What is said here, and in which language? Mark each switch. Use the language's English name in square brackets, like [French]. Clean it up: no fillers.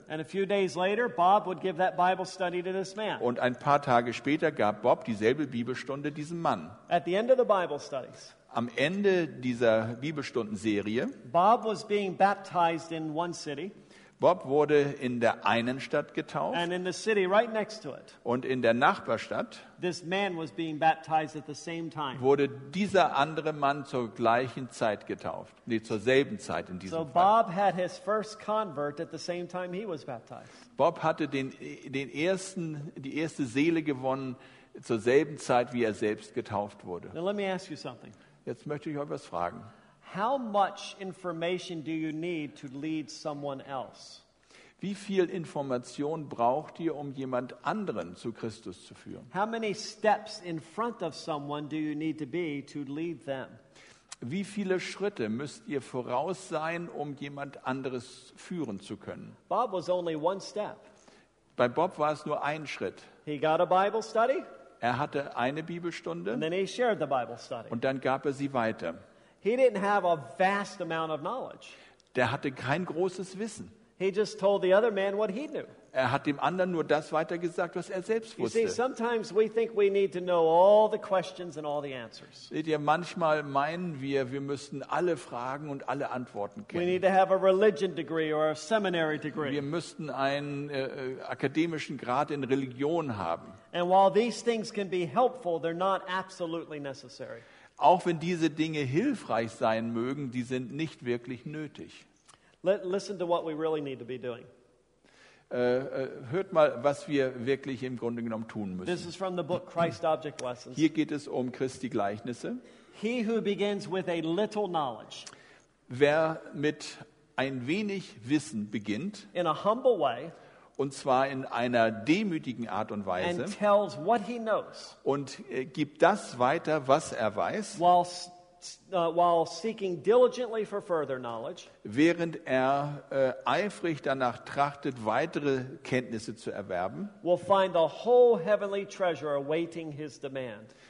[English] And a few days later, Bob would give that Bible study to this man. [German] Und ein paar Tage später gab Bob dieselbe Bibelstunde diesem Mann. [English] At the end of the Bible studies. [German] Am Ende dieser Bibelstundenserie. [English] Bob was being baptized in one city. [German] Bob wurde in der einen Stadt getauft. [English] And in the city right next to it. [German] Und in der Nachbarstadt. [English] This man was being baptized at the same time. [German] Wurde dieser andere Mann zur gleichen Zeit getauft. Nee, zur selben Zeit in diesem so Fall. [English] So Bob had his first convert at the same time he was baptized. [German] Bob hatte die erste Seele gewonnen zur selben Zeit, wie er selbst getauft wurde. [English] Now let me ask you something. [German] Jetzt möchte ich euch was fragen. [English] How much information do you need to lead someone else? [German] Wie viel Information braucht ihr, um jemand anderen zu Christus zu führen? [English] How many steps in front of someone do you need to be to lead them? [German] Wie viele Schritte müsst ihr voraus sein, um jemand anderes führen zu können? [English] Bob was only one step. [German] Bei Bob war es nur ein Schritt. [English] He got a Bible study. [German] Er hatte eine Bibelstunde. [English] And then he shared the Bible study. [German] Und dann gab er sie weiter. [English] He didn't have a vast amount of knowledge. [German] Der hatte kein großes Wissen. [English] He just told the other man what he knew. [German] Er hat dem anderen nur das weitergesagt, was er selbst wusste. [English] You see, sometimes we think we need to know all the questions and all the answers. [German] Seht ihr, manchmal meinen wir müssten alle Fragen und alle Antworten kennen. [English] We need to have a religion degree or a seminary degree. [German] Wir müssten einen akademischen Grad in Religion haben. [English] And while these things can be helpful, they're not absolutely necessary. [German] Auch wenn diese Dinge hilfreich sein mögen, die sind nicht wirklich nötig. [English] Listen to what we really need to be doing. [German] Hört mal, was wir wirklich im Grunde genommen tun müssen. [English] This is from the book Christ Object Lessons. [German] Hier geht es um Christi Gleichnisse. [English] He who begins with a little knowledge. [German] Wer mit ein wenig Wissen beginnt. [English] In a humble way. [German] Und zwar in einer demütigen Art und Weise. [English] And tells what he knows. [German] Und gibt das weiter, was er weiß. [English] While seeking diligently for further knowledge. [German] Während er eifrig danach trachtet, weitere Kenntnisse zu erwerben. [English] Will find the whole heavenly treasure awaiting his demand.